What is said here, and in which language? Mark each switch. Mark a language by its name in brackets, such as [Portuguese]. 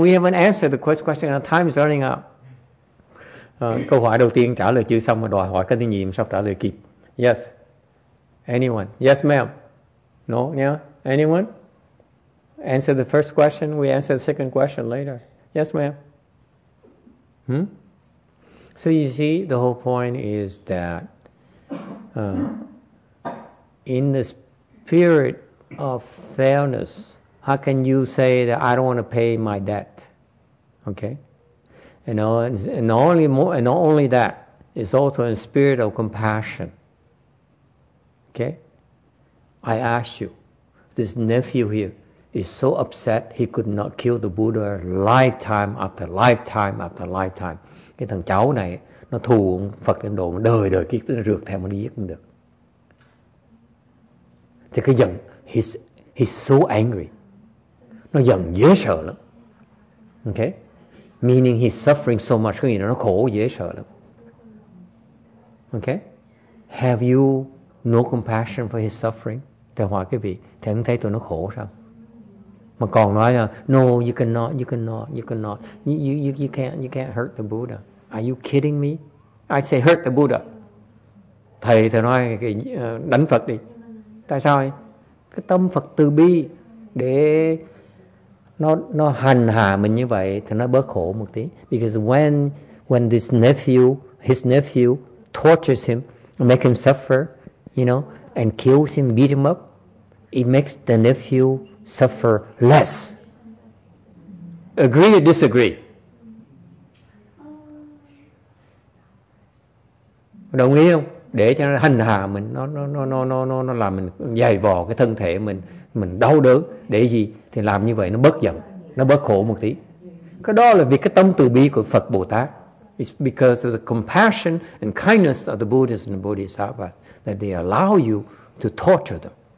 [English] We haven't answered the first question and time is running out. [Vietnamese] Câu hỏi đầu tiên trả lời chưa xong mà đòi hỏi cái thứ nhì mà sao trả lời kịp. [English] Yes. Anyone? Yes, ma'am. No? Yeah? Anyone? Answer the first question. We answer the second question later. Yes, ma'am. So you see, the whole point is that in the spirit of fairness, how can you say that I don't want to pay my debt? Okay? And not only that, it's also in spirit of compassion. Okay? I ask you, this nephew here, is so upset he could not kill the Buddha lifetime after lifetime after lifetime. [Vietnamese] Cái thằng cháu này nó thù Phật Ấn Độ đời đời kiếp nó rượt theo mà nó giết không được. Thì cái giận, [English] he's so angry. [Vietnamese] Nó giận dễ sợ lắm. Okay? [English] Meaning he's suffering so much, [Vietnamese] nghĩa là nó khổ dễ sợ lắm. Okay? [English] Have you no compassion for his suffering? [Vietnamese] Thầy hỏi quý vị, thầy không thấy tụi nó khổ sao? Mà còn nói là [English] no, you cannot. You can't hurt the Buddha. Are you kidding me? I say hurt the Buddha. [Vietnamese] Thầy nói đánh Phật đi. Tại sao ấy? Cái tâm Phật từ bi để nó hành hạ mình như vậy thì nó bớt khổ một tí. [English] Because when this nephew, his nephew tortures him, make him suffer, you know, and kills him, beat him up, it makes the nephew suffer less. Agree or disagree? [Vietnamese] Đồng ý không? Để cho nó hành hạ mình, nó làm mình dày vò cái thân thể mình đau đớn. Để gì? Thì làm như vậy nó bớt giận, nó bớt khổ một tí. Cái đó là vì cái tâm từ bi của Phật Bồ Tát. [English] It's because of the compassion and kindness of the Buddhists and the Bodhisattvas that they allow you to torture them.